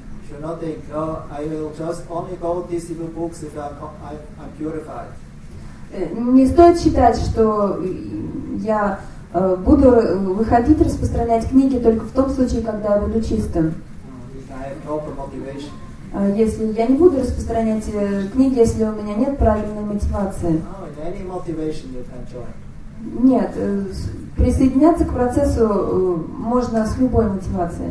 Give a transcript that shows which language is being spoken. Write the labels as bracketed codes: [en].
[en] Should not think, I will just only go distribute books if I'm purified. [ru] Не стоит считать, что я буду выходить распространять книги только в том случае, когда я буду чистым. [en] If I have proper motivation. [ru] Если я не буду распространять книги, если у меня нет правильной мотивации. [en] Oh, any motivation you can join. [ru] Нет, присоединяться к процессу можно с любой мотивацией.